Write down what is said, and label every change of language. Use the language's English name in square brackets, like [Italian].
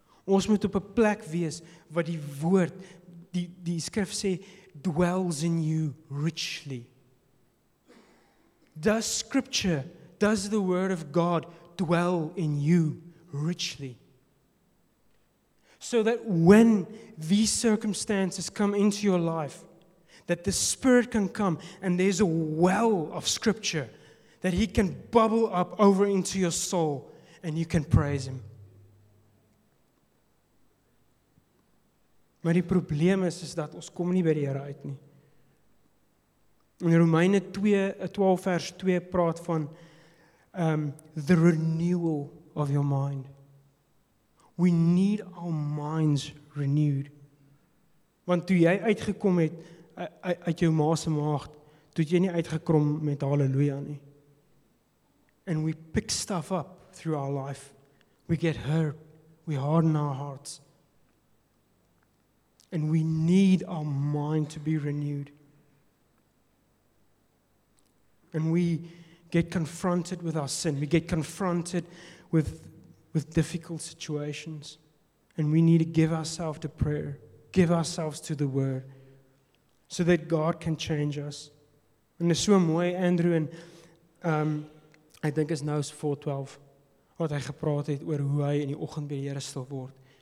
[Afrikaans] Ons moet op 'n plek wees wat die woord, die skrif sê, [English] dwells in you richly. Does scripture, does the word of God dwell in you richly? So that when these circumstances come into your life, that the Spirit can come and there's a well of scripture that He can bubble up over into your soul and you can praise Him. [Afrikaans] Maar die probleem is dat ons kom nie by die Here uit nie. In Romeine 12 vers 2 praat van [English] the renewal of your mind. We need our minds renewed. [Afrikaans] Want toe jy uitgekom het uit jou ma se maag, toe het jy nie uitgekrom met halleluja nie. [English] And we pick stuff up through our life. We get hurt. We harden our hearts. And we need our mind to be renewed. And we get confronted with our sin. We get confronted with difficult situations. And we need to give ourselves to prayer. Give ourselves to the Word. So that God can change us. [Afrikaans] En dis so mooi, Andrew, en ek dink is nou 4:12, wat hy gepraat het oor hoe hy in die oggend by die Here stil word.